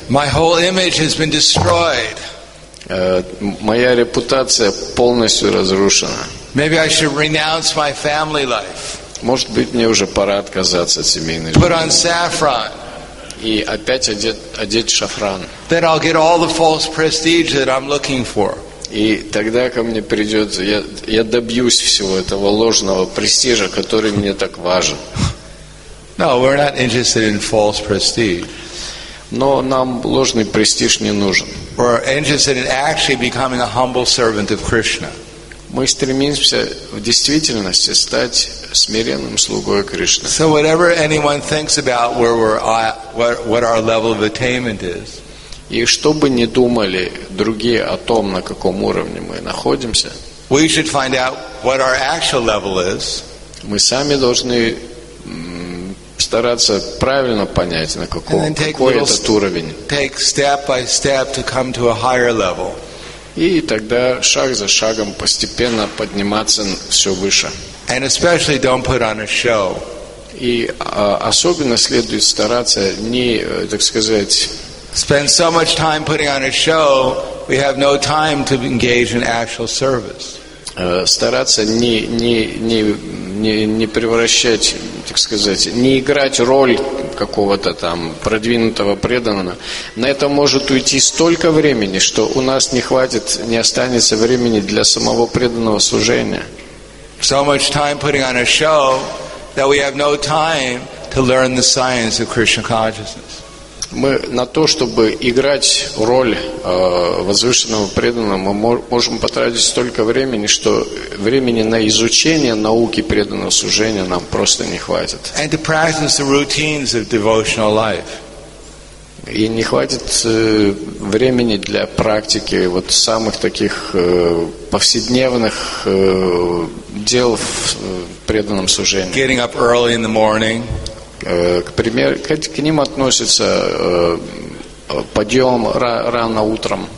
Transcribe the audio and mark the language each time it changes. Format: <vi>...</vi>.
<en>My whole image has been destroyed.</en> <ru>моя репутация полностью разрушена.</ru> <en>Maybe I should renounce my family life.</en> <ru>Может быть, мне уже пора отказаться от семейной жизни.</ru> <en>Put on saffron.</en> <ru>И опять одеть шафран.</ru> <en>Then I'll get all the false prestige that I'm looking for.</en> <ru>И тогда ко мне придет, я добьюсь всего этого ложного престижа, который мне так важен.</ru> <en>No, we're not interested in false prestige.</en> <ru>Но нам ложный престиж не нужен.</ru> <en>We're interested in actually becoming a humble servant of Krishna.</en> <ru>Мы стремимся в действительности стать смиренным слугой Кришны.</ru> <en>So whatever anyone thinks about where we're at, what our level of attainment is.</en> <ru>И что бы ни думали другие о том, на каком уровне мы находимся.</ru> <en>We should find out what our actual level is.</en> <ru>Мы сами должны стараться правильно понять, на каком этот уровень.</ru> <en>Take step by step to come to a higher level.</en> <ru>И тогда шаг за шагом постепенно подниматься все выше.</ru> <en>And especially don't put on a show.</en> <ru>И особенно следует стараться не, так сказать,</ru> <en>spend so much time putting on a show, we have no time to engage in actual service.</en> <ru>Стараться не превращать, так сказать, не играть роль какого-то там продвинутого преданного. На это может уйти столько времени, что у нас не хватит, не останется времени для самого преданного служения.</ru> <en>So much time putting on a show that we have no time to learn the science of Krishna consciousness.</en> <ru>Мы на то, чтобы играть роль возвышенного преданного, мы можем потратить столько времени, что времени на изучение науки преданного служения нам просто не хватит.</ru> <en>And to practice the routines of devotional life.</en> <ru>И не хватит времени для практики вот самых таких повседневных дел в преданном служении.</ru> <en>Getting up early in the morning.</en> <ru>К ним относится подъем рано утром,</ru>